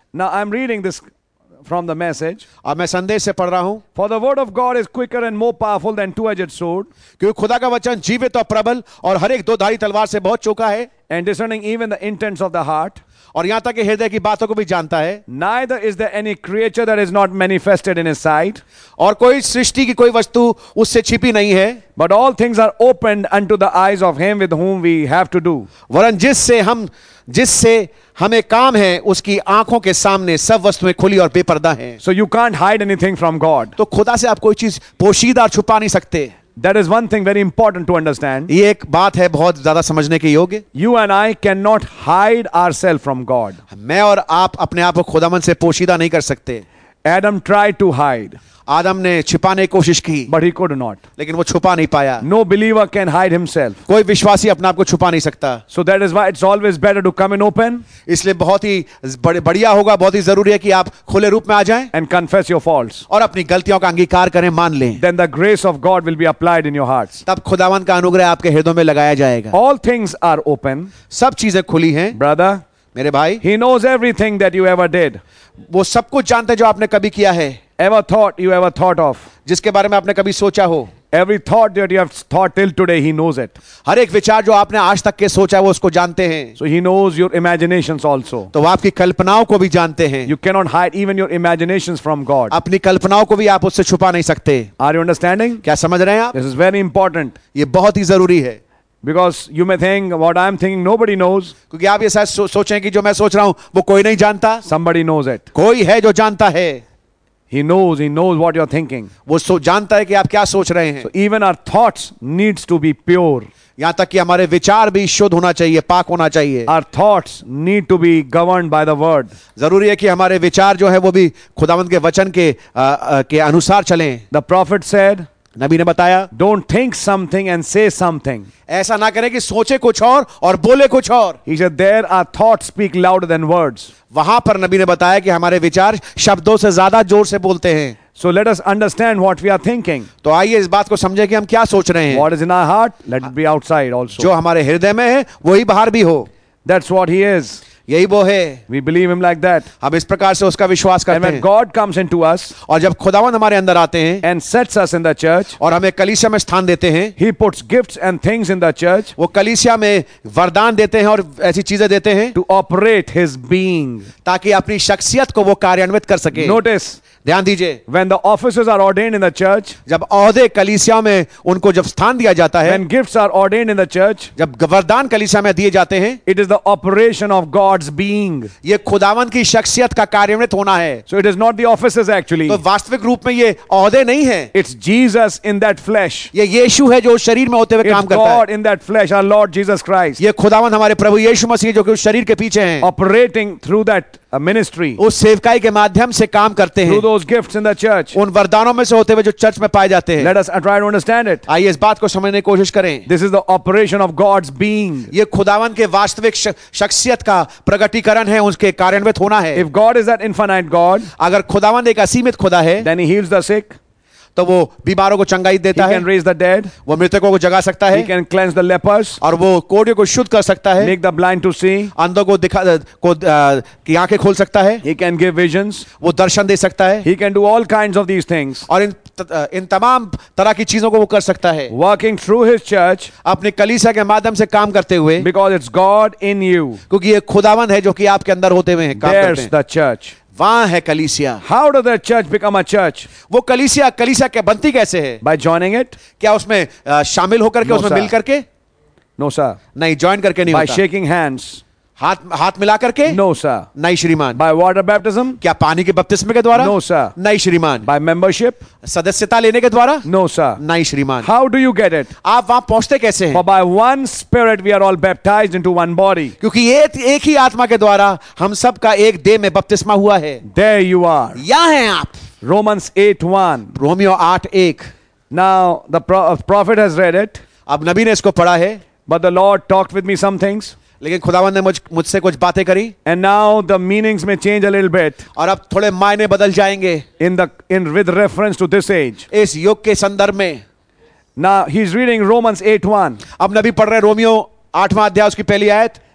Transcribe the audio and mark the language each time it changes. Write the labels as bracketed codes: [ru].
[en] now I am reading this from the message [hi] अब मैं संदेश से पढ़ रहा हूं [en] for the word of God is quicker and more powerful than two edged sword [hi] क्योंकि खुदा का वचन जीवित और प्रबल और हर एक दो धारी तलवार से बहुत चौका है [en] and discerning even the intents of the heart [hi] और यहां तक हृदय की बातों को भी जानता है [en] Neither is there any creature that is not manifested in his sight. [hi] और कोई सृष्टि की कोई वस्तु उससे छिपी नहीं है [en] But all things are opened unto the eyes of him with whom we have to do. [hi] वरन जिससे हमें काम है उसकी आंखों के सामने सब वस्तुएं खुली और बेपर्दा हैं [en] So you can't hide anything from God. [hi] तो खुदा से आप कोई चीज पोशीदा और छुपा नहीं सकते [en] That is one thing very important to understand. [hi] ये एक बात है बहुत ज़्यादा समझने के योग्य. [en] You and I cannot hide ourselves from God. [hi] मैं और आप अपने आप को खुदावंद से पोशीदा नहीं कर सकते. [en] Adam tried to hide. [hi] आदम ने छिपाने की कोशिश की. [en] But he could not. [hi] लेकिन वो छुपा नहीं पाया. [en] No believer can hide himself. [hi] कोई विश्वासी अपने आप को छुपा नहीं सकता. [en] So that is why it's always better to come in open. [hi] इसलिए बहुत ही बढ़िया होगा बहुत ही जरूरी है कि आप खुले रूप में आ जाएं. [en] And confess your faults. [hi] और अपनी गलतियों का अंगीकार करें मान लें. [en] Then the grace of God will be applied in your hearts. [hi] तब खुदावंद का अनुग्रह आपके हृदयों में लगाया जाएगा. [en] All things are open. [hi] सब चीजें खुली हैं. [en] Brother. [hi] मेरे भाई, [en] He knows everything that you ever did. [hi] वो सब कुछ जानते हैं जो आपने कभी किया है. [en] Ever thought you ever thought of? [hi] जिसके बारे में आपने कभी सोचा हो. [en] Every thought that you have thought till today, He knows it. [hi] हर एक विचार जो आपने आज तक के सोचा है, वो उसको जानते हैं. [en] So He knows your imaginations also. [hi] तो वो आपकी कल्पनाओं को भी जानते हैं. [en] You cannot hide even your imaginations from God. [hi] अपनी कल्पनाओं को भी आप उससे छुपा नहीं सकते. [en] Are you understanding? [hi] क्या समझ रहे हैं आप? [en] This is very important. [hi] ये बहुत ही जरूरी है. [en] Because you may think what I am thinking, nobody knows. [hi] क्योंकि आप ये शायद सोचें कि जो मैं सोच रहा हूँ, वो कोई नहीं जानता. [en] Somebody knows it. [hi] कोई है जो जानता है. [en] He knows what you're thinking. [hi] वो सो जानता है कि आप क्या सोच रहे हैं. [en] So even our thoughts needs to be pure. [hi] यहाँ तक कि हमारे विचार भी शुद्ध होना चाहिए, पाक होना चाहिए. [en] Our thoughts need to be governed by the word. [hi] जरूरी है कि हमारे विचार जो है वो भी खुदावंद के वचन के के अनुसार चलें. [en] The prophet said. [hi] नबी ने बताया. [en] Don't think something and say something. [hi] ऐसा ना करें कि सोचे कुछ और बोले कुछ और. [en] He said there are thoughts speak louder than words. [hi] वहां पर नबी ने बताया कि हमारे विचार शब्दों से ज्यादा जोर से बोलते हैं. [en] So let us understand what we are thinking. [hi] तो आइए इस बात को समझे कि हम क्या सोच रहे हैं. [en] What is in our heart, let it be outside also. [hi] जो हमारे हृदय में है वही बाहर भी हो. [en] That's what he is. [hi] यही वो है. [en] We believe him like that. [hi] हम इस प्रकार से उसका विश्वास करते हैं. [en] And when God comes into us, [hi] और जब खुदावंद हमारे अंदर आते हैं, [en] and sets us in the church, [hi] और हमें कलीसिया में स्थान देते हैं, [en] he puts gifts and things in the church, [hi] वो कलीसिया में वरदान देते हैं और ऐसी चीजें देते हैं, [en] to operate his being, [hi] ताकि अपनी शख्सियत को वो कार्यान्वित कर सके. [en] Notice. [hi] ध्यान दीजिए. [en] When the offices are ordained in the church, [hi] जब ओहदे कलीसिया में उनको जब स्थान दिया जाता है, [en] when gifts are ordained in the church, [hi] जब वरदान कलीसिया में दिए जाते हैं, [en] it is the operation of God's being. [hi] ये खुदावंत की शख्सियत का कार्यान्वित होना है. [en] So it is not the offices actually. [hi] तो वास्तविक रूप में ये ओहदे नहीं है. [en] It's Jesus in that flesh. [hi] ये यीशु है जो शरीर में होते हुए काम करता है. [en] God in that flesh, our Lord Jesus Christ. [hi] ये खुदावंत हमारे प्रभु यीशु मसीह जो कि उस शरीर के पीछे हैं. [en] Operating through that ministry. [hi] उस सेवकाई के माध्यम से काम करते हैं. [en] Those gifts in the church. [hi] उन वरदानों में से होते हुए जो चर्च में पाए जाते हैं. [en] Let us try to understand it. [hi] आइए इस बात को समझने की कोशिश करें. [en] This is the operation of God's being. [hi] ये खुदावन के वास्तविक शख्सियत का प्रगटीकरण है, उसके कार्यान्वित होना है. [en] If God is that infinite God, [hi] अगर खुदावन एक असीमित खुदा है, [en] then he heals the sick. [hi] तो वो बीमारों को चंगाई देता है. [en] He can raise the dead. [hi] वो मृतकों को जगा सकता है. [en] He can cleanse the lepers. [hi] और वो कोढ़ियों को शुद्ध कर सकता है. [en] Make the blind to see. [hi] अंधों को दिखा को की आंखें खोल सकता है. [en] He can give visions. [hi] वो दर्शन दे सकता है. [en] He can do all kinds of these things. [hi] और इन तमाम तरह की चीजों को वो कर सकता है. [en] Working through his church. [hi] अपने कलीसिया के माध्यम से काम करते हुए. [en] Because it's God in you. [hi] क्योंकि ये खुदावंद है जो कि आपके अंदर होते हुए काम करते हैं. [en] There's the church. [hi] वहां है कलीसिया. [en] How does that church become a church? [hi] वो कलीसिया क्या बनती कैसे है? [en] By joining it. [hi] क्या उसमें शामिल होकर के, उसमें मिल करके? [en] No sir. [hi] नहीं, join करके नहीं. [en] By shaking hands. [hi] हाथ मिला करके? [en] No sir. [hi] नहीं श्रीमान. [en] By water baptism. [hi] क्या पानी के बपतिस्मे के द्वारा? [en] No sir. [hi] नहीं श्रीमान. [en] By membership. [hi] सदस्यता लेने के द्वारा? [en] No sir. [hi] नहीं श्रीमान. [en] How do you get it? [hi] आप वहां पहुंचते कैसे हैं? [en] By one spirit we are all baptized into one body. [hi] क्योंकि एक ही आत्मा के द्वारा हम सब का एक देह में बपतिस्मा हुआ है. [en] There you are. [hi] यहां हैं आप. [en] Romans 8:1. [hi] Romeo 8:1. [en] Now the prophet has read it. [hi] अब नबी ने इसको पढ़ा है. [en] But the Lord talked with me some things. [hi] लेकिन खुदावंद ने मुझसे कुछ बातें करी. [en] And now the meanings में change a little bit. [hi] और अब थोड़े मायने बदल जाएंगे. [en] In with reference to this age. [hi] इस युग के संदर्भ में. [en] Now he is reading Romans 8:1. [hi] अब नबी पढ़ रहे रोमियो 8वां अध्याय उसकी पहली आयत.